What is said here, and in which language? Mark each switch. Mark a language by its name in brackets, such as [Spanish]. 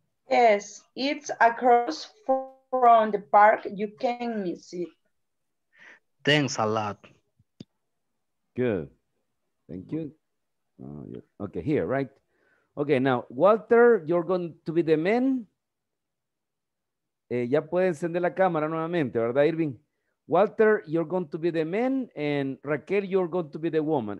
[English] Yes, it's across from the park. You can't miss it. Thanks a lot. Good. Thank you. Okay, here, right? Okay, now, Walter, you're going to be the man. [Spanish] Ya puede encender la cámara nuevamente, ¿verdad, Irving? [English] Walter, you're going to be the man, and Raquel, you're going to be the woman.